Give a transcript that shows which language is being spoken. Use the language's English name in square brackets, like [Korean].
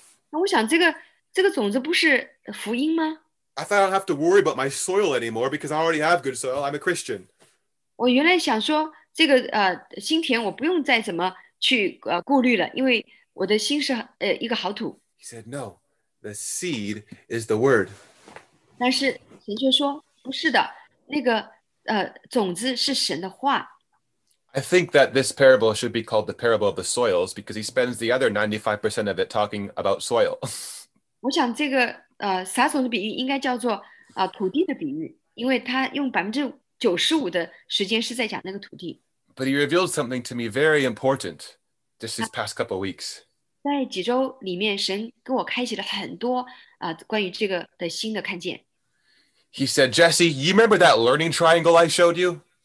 [Chinese] 我想这个种子不是福音吗？ [English] I thought I don't have to worry about my soil anymore because I already have good soil. I'm a Christian. [Chinese] 我原来想说这个新田我不用再怎么去顾虑了，因为我的心是一个好土。 [English] He said, "No, the seed is the word." [Chinese] 但是神却说不是的，那个种子是神的话。 [English] I think that this parable should be called the parable of the soils because he spends the other 95% of it talking about soil. [Chinese] 我想这个撒种的比喻应该叫做土地的比喻，因为他用95%的时间是在讲那个土地。 [English] But he revealed something to me very important just these past couple of weeks. [Chinese] 在几周里面，神给我开启了很多关于这个的新的看见。 [English] He said, "Jesse, you remember that learning triangle I showed you?"